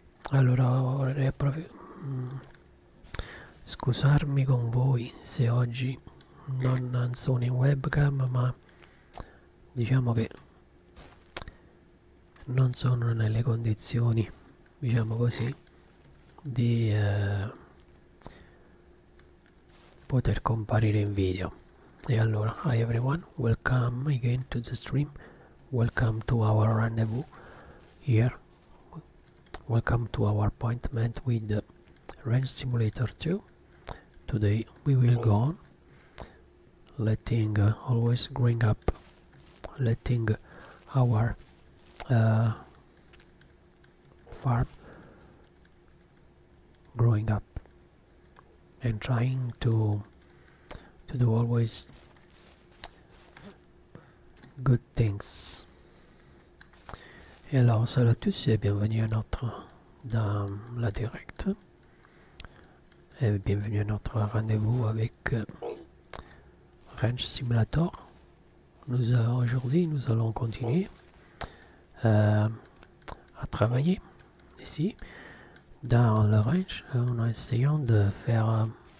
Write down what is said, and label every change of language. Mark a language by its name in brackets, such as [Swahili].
[Italian] Allora vorrei proprio... scusarmi con voi se oggi non sono in webcam, ma diciamo che non sono nelle condizioni, diciamo così, di poter comparire in video. E allora, [English] hi everyone, welcome again to the stream. Welcome to our rendezvous here. Welcome to our appointment with the Range Simulator 2. Today we will go on letting always growing up, letting our farm growing up and trying to do always good things. [French] Et alors, salut à tous et bienvenue à notre dans la direct et bienvenue à notre rendez-vous avec Range Simulator. Aujourd'hui, nous allons continuer à travailler ici dans le range en essayant de faire